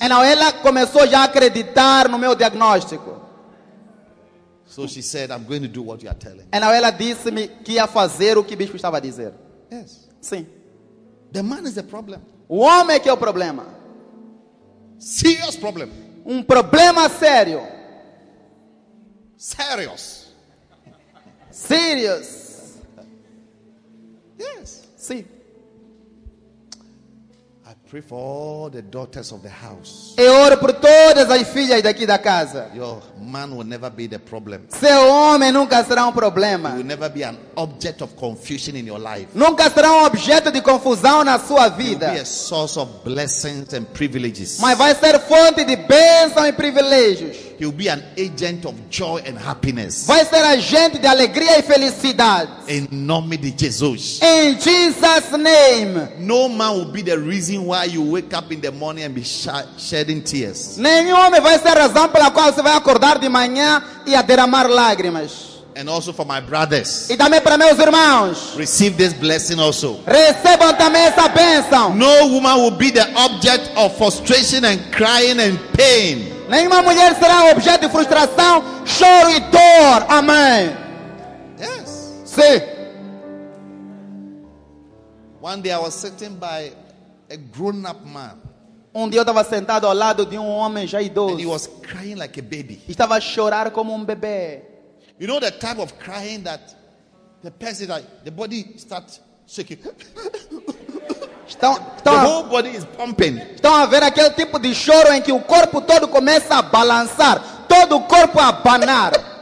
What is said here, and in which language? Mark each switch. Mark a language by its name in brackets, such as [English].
[Portuguese] Então ela começou já a acreditar no meu diagnóstico. [English] So she said, I'm going to do what you are telling. [Portuguese] Então ela disse-me que ia fazer o que o bispo estava a dizer. [English] Yes. [Portuguese] Sim. [English] The man is the problem. [Portuguese] O homem é que é o problema. [English] Serious problem. [Portuguese] Um problema sério. [English] Serious. Serious. Yes. [Portuguese] Sim. [English] I pray for all the daughters of the house. [Portuguese] Eu oro por todas as filhas daqui da casa. [English] Your man will never be the problem. [Portuguese] Seu homem nunca será um problema. [English] He will never be an object of confusion in your life. [Portuguese] Nunca será um objeto de confusão na sua vida. [English] He will be a source of blessings and privileges. [Portuguese] Mas vai ser fonte de bênção e privilégios. [English] He will be an agent of joy and happiness. [Portuguese] Vai ser agente de alegria e felicidade. Em nome de Jesus. [English] In Jesus' name. No man will be the reason why you wake up in the morning and be shedding tears. [Portuguese] Nenhum homem vai ser a razão pela qual você vai acordar de manhã e a derramar lágrimas. [English] And also for my brothers. [Portuguese] E também para meus irmãos. [English] Receive this blessing also. [Portuguese] Recebam também essa bênção. [English] No woman will be the object of frustration and crying and pain. [Portuguese] Nenhuma mulher será objeto de frustração, choro e dor. Amém. [English] Yes. [Portuguese] Sim. [English] One day I was sitting by a grown-up man. [Portuguese] Um dia eu estava sentado ao lado de um homem já idoso. [English] And he was crying like a baby. [Portuguese] Estava a chorar como bebê. [English] You know the type of crying that the person, like, the body starts shaking. [Portuguese] Então, [English] the whole body is pumping. [Portuguese] Estão a ver aquele tipo de choro em que o corpo todo começa a balançar, todo o corpo a abanar.